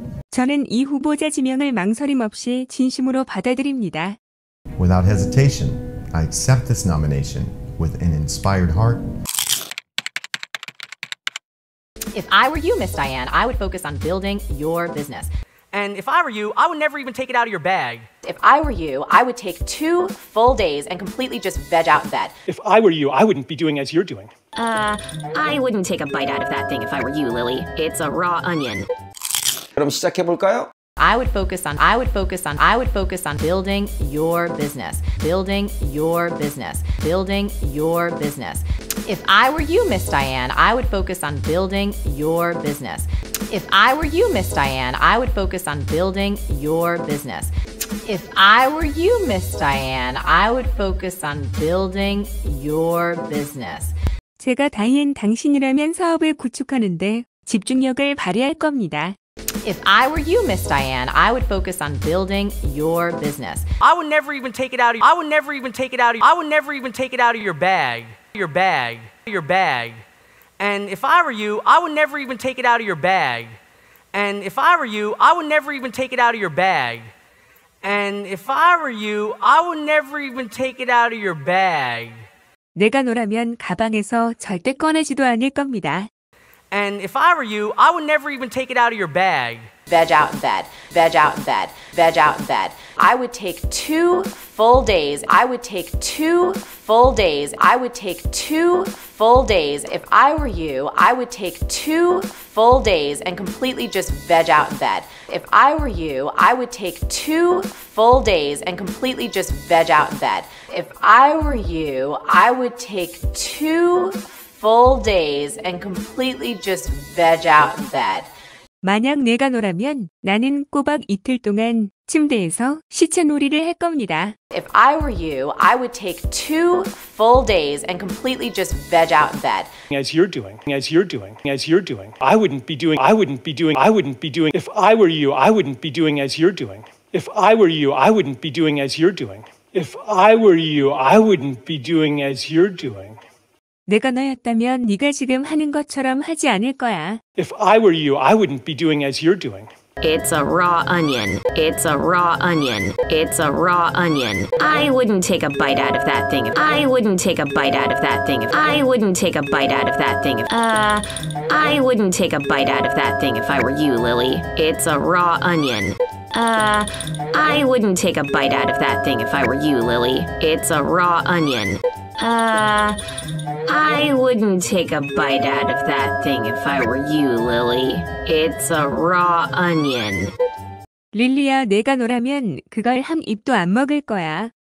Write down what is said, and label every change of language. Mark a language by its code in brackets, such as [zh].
[ko] 저는 이 후보자 지명을 망설임 없이 진심으로 받아들입니다. [en] Without hesitation, I accept this nomination with an inspired heart. If I were you, Miss Diane, I would focus on building your business. And if I were you, I would never even take it out of your bag. If I were you, I would take 2 full days and completely just veg out in bed. If I were you, I wouldn't be doing as you're doing. I wouldn't take a bite out of that thing if I were you, Lily. It's a raw onion. [ko] 그럼 시작해볼까요? [en] I would focus on building your business. If I were you, Miss Diane, I would focus on building your business. If I were you, Miss Diane, I would focus on building your business. If I were you, Miss Diane, I would focus on building your business. [ko] 제가 다이앤 당신이라면 사업을 구축하는데 집중력을 발휘할 겁니다. [en] If I were you, Miss Diane, I would focus on building your business. I would never even take it out of you. I would never even take it out of you. I would never even take it out of your bag. Your bag. Your bag. And if I were you, I would never even take it out of your bag. And if I were you, I would never even take it out of your bag. And if I were you, I would never even take it out of your bag. [ko] 내가 너라면 가방에서 절대 꺼내지도 않을 겁니다. [en] And if I were you, I would never even take it out of your bag. Veg out in bed. Veg out in bed. Veg out in bed. I would take two full days. I would take two full days. I would take two full days. If I were you, I would take two full days and completely just veg out in bed. If I were you, I would take two full days and completely just veg out in bed. If I were you, I would take two full days and completely just veg out in bed. [ko] 만약 내가 너라면 나는 꼬박 이틀 동안 침대에서 시체 놀이를 할 겁니다. [en] If I were you, I would take two full days and completely just veg out in bed. As you're doing, as you're doing, as you're doing. I wouldn't be doing, I wouldn't be doing, I wouldn't be doing. If I were you, I wouldn't be doing as you're doing. If I were you, I wouldn't be doing as you're doing. If I were you, I wouldn't be doing as you're doing. [ko] 내가 너였다면 네가 지금 하는 것처럼 하지 않을 거야. [en] If I were you, I wouldn't be doing as you're doing. It's a raw onion. It's a raw onion. It's a raw onion. I wouldn't take a bite out of that thing. I wouldn't take a bite out of that thing. I wouldn't take a bite out of that thing. I wouldn't take a bite out of that thing if I were you, Lily. It's a raw onion. I wouldn't take a bite out of that thing if I were you, Lily. It's a raw onion. I wouldn't take a bite out of that thing if I were you, Lily. It's a raw onion. [ko] 릴리야, 내가 너라면 그걸 한 입도 안 먹을 거야.